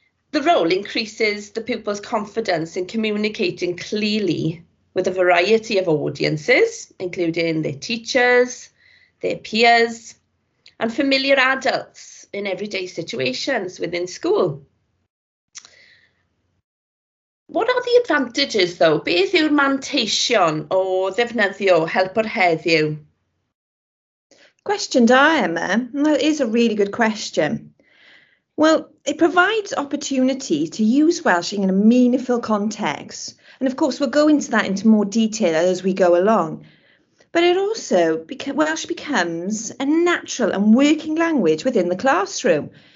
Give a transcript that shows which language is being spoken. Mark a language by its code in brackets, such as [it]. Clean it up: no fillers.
[en] The role increases the pupil's confidence in communicating clearly with a variety of audiences, including their teachers, their peers, and familiar adults in everyday situations within school. What are the advantages though? [cy] Beth yw'r manteision o ddefnyddio Helpwr Heddiw? Question da, Emma. [en] That is a really good question. Well, it provides opportunity to use Welsh in a meaningful context. And of course, we'll go into that into more detail as we go along. But it also, Welsh becomes a natural and working language within the classroom.